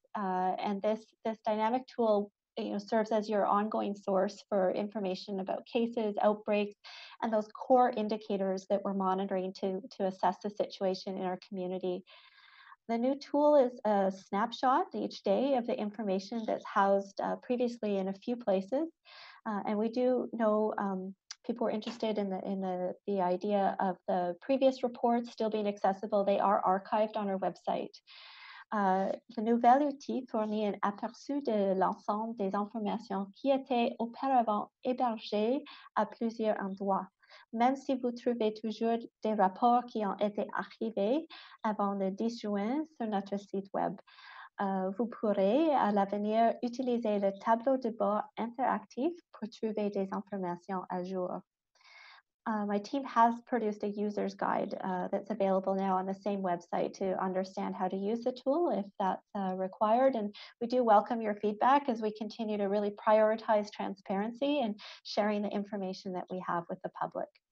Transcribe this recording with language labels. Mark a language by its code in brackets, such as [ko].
[en] And this dynamic tool serves as your ongoing source for information about cases, outbreaks, and those core indicators that we're monitoring to assess the situation in our community. The new tool is a snapshot each day of the information that's housed previously in a few places. And we do know people were interested in the idea of the previous reports still being accessible. They are archived on our website. [fr] Le nouvel outil fournit un aperçu de l'ensemble des informations qui étaient auparavant hébergées à plusieurs endroits. Même si vous trouvez toujours des rapports qui ont été archivés avant le 10 juin sur notre site web, vous pourrez à l'avenir utiliser le tableau de bord interactif pour trouver des informations à jour. [en] My team has produced a user's guide that's available now on the same website to understand how to use the tool if that's required. And we do welcome your feedback as we continue to really prioritize transparency and sharing the information that we have with the public.